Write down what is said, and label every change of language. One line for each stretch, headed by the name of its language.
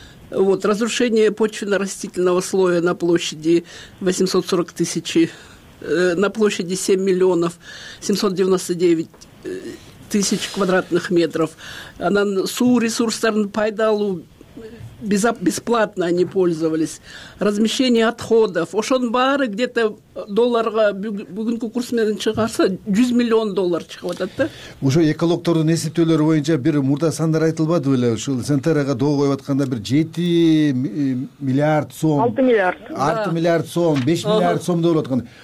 Russian: Вот, разрушение почвенно-растительного слоя на площади 840 тысяч, на площади 7 миллионов 799 тысяч квадратных метров.
Kyrgyz: Анан суу ресурстарын пайдалуу
Russian: бесплатно они пользовались. Размещение отходов.
Kyrgyz: Ошон баары
Russian: где-то
Kyrgyz: долларга бүгүнкү курс менен чыгарса 100 миллион доллар чыгып атат да. Ошо экологтордун эсептөөлөрү боюнча бир мурда сандар айтылбады беле? Ушул центрага доо коюп атканда бир 7 миллиард сом. 6 миллиард. 6 миллиард сом, 5 миллиард сом деп аткан.